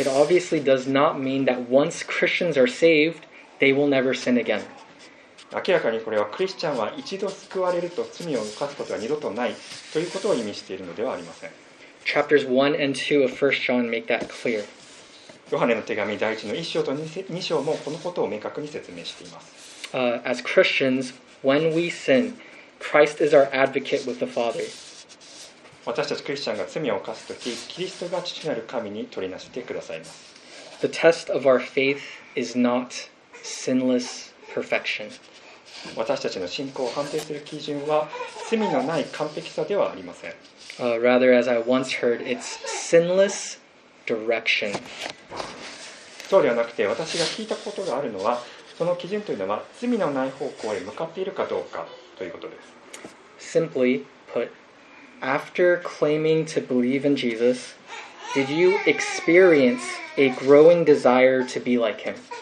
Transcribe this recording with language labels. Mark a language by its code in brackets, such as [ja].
[en] It obviously does not mean that once Christians are saved, they will never sin again. [ja] 明らかにこれはクリスチャンは一度救われると罪を犯すことは二度とないということを意味しているのではありません。 [en] Chapters 1 and 2 of 1 John make that clear. [ja] ヨハネの手紙第1の1章と2章もこのことを明確に説明しています。 [en] As Christians, when we sin, Christ is our advocate with the Father. [ja] 私たちクリスチャンが罪を犯すとき、キリストが父なる神に取りなしてくださいます。 [en] The test of our faith is not sinless perfection. [ja] 私たちの信仰を判定する基準は、罪のない完璧さではありません。 [en] Rather, as I once heard, it's sinless direction. [ja] そうではなくて、私が聞いたことがあるのは、その基準というのは、罪のない方向へ向かっているかどうかということです。 [en] Simply put,After claiming to believe in Jesus, did you experience a growing desire to be like him?